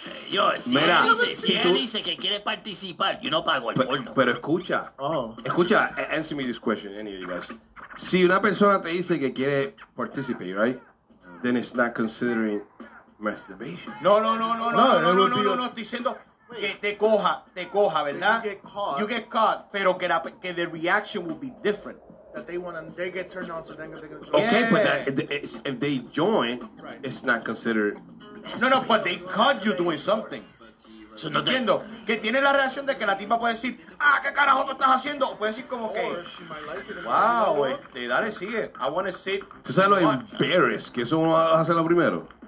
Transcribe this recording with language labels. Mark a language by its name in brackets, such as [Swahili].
[Spanish] Yo, si mira, él dice que quiere participar, yo no pago el porno. Pero escucha. Oh. Escucha, [English] answer me this question, any of you guys. [Spanish] Si una persona te dice que quiere participar, right? [English] Then it's not considering masturbation. [Spanish] No, estoy diciendo... Que te coja, ¿verdad? [English] You get caught, [Spanish] pero que [English] the reaction will be different. That they get turned on, so then they're going to join. Okay, but if they join, right, it's not considered... No, but they caught you doing something. So no [Spanish] entiendo. Que tiene la reacción de que la tipa puede decir, ah, ¿qué carajo tú estás haciendo? Puede decir como que, wow, güey, dale, sigue. [English] I want to sit. [Spanish] ¿Tú sabes lo embarrassed que eso va a hacer lo primero?